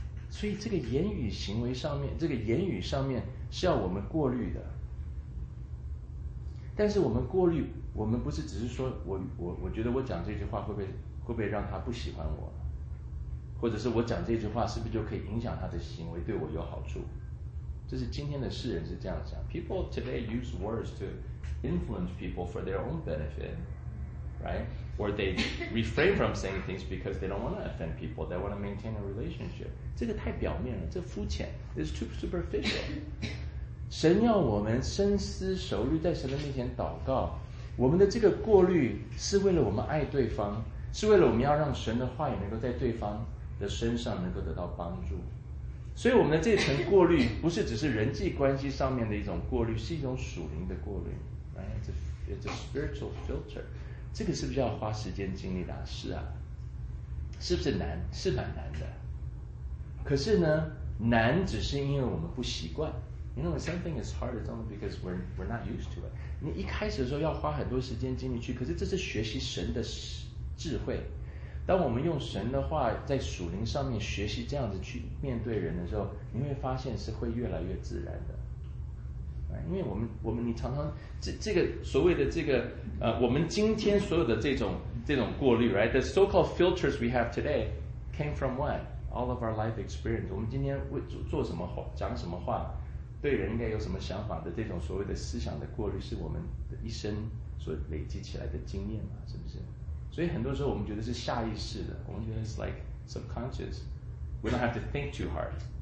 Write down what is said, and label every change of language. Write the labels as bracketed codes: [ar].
[zh] 所以这个言语行为上面，这个言语上面是要我们过滤的。但是我们过滤，我们不是只是说我觉得我讲这句话会不会让他不喜欢我，或者是我讲这句话是不是就可以影响他的行为，对我有好处？这是今天的世人是这样想。 [en] People today use words to influence people for their own benefit, right? Or they refrain from saying things because they don't want to offend people. They want to maintain a relationship. [zh] 这个太表面了，这肤浅。 [en] It's too superficial. [zh] 神要我们深思熟虑，在神的面前祷告。我们的这个过滤是为了我们爱对方，是为了我们要让神的话语能够在对方的身上能够得到帮助。所以我们的这层过滤不是只是人际关系上面的一种过滤，是一种属灵的过滤。 [en] It's a spiritual filter. [zh] 这个是不是要花时间精力的？是啊，是不是难？是蛮难的。可是呢，难只是因为我们不习惯。 [en] You know, something is hard, it's only because we're not used to it. [zh] 你一开始的时候要花很多时间精力去，可是这是学习神的智慧。当我们用神的话在属灵上面学习这样子去面对人的时候，你会发现是会越来越自然的。因为我们你常常这个所谓的这个我们今天所有的这种过滤 ，right? [en] The so-called filters we have today came from what? All of our life experience. [zh] 我们今天为做什么话，讲什么话？对人应该有什么想法的这种所谓的思想的过滤，是我们的一生所累积起来的经验嘛？是不是？所以很多时候我们觉得是下意识的，我们觉得是 [en] like subconscious. We don't have to think too hard.